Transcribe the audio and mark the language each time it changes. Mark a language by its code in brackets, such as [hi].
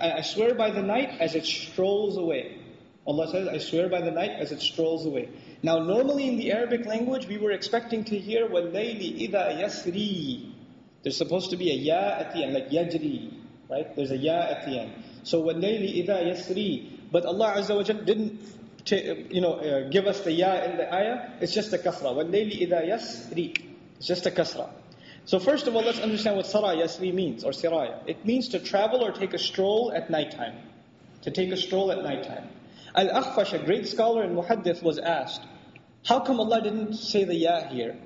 [en] I swear by the night as it strolls away. Allah says, I swear by the night as it strolls away. Now normally in the Arabic language, we were expecting to hear [ar] وَاللَّيْلِ إِذَا يَسْرِ. [en] There's supposed to be a ya at the end, like yajri, right? There's a ya at the end. [ar] So وَاللَّيْلِ إِذَا يَسْرِي. [en] But Allah Azza wa Jal didn't give us the ya in the ayah. It's just a kasra. [ar] وَاللَّيْلِ إِذَا يَسْرِي. [en] It's just a kasra. So first of all, let's understand what sara yasri means, or siraya. It means to travel or take a stroll at nighttime. To take a stroll at nighttime. Al-Akhfash, a great scholar in Muhaddith, was asked, how come Allah didn't say the ya here?